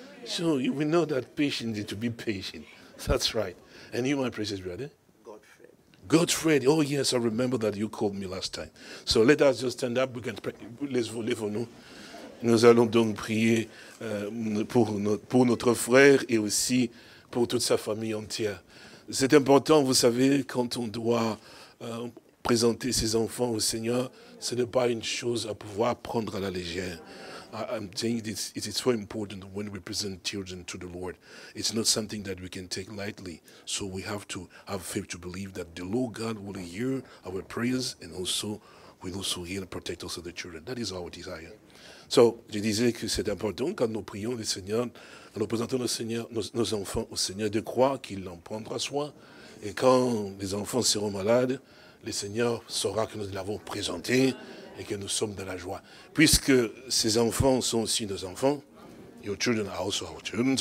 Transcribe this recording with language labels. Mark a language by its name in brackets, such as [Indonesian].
[English] So we know that patience is to be patient. That's right. And you, my precious brother? Godfred. Oh, yes, I remember that you called me last time. So let us just stand up. We can pray. Let's go, [French] levons-nous. Nous allons donc prier pour notre frère et aussi pour toute sa famille entière. C'est important, vous savez, quand on doit présenter ses enfants au Seigneur, ce n'est pas une chose à pouvoir prendre à la légère. [English] I'm saying it is so important when we present children to the Lord. It's not something that we can take lightly. So we have to have faith to believe that the Lord God will hear our prayers and also will also hear and protect us of the children. That is our desire. [French] So, je disais que c'est important quand nous prions le Seigneur, quand nous présentons le Seigneur, nos enfants au Seigneur, de croire qu'il en prendra soin. Et quand les enfants seront malades, le Seigneur saura que nous l'avons présenté et que nous sommes dans la joie. Puisque ces enfants sont aussi nos enfants, [English] your children are also our children.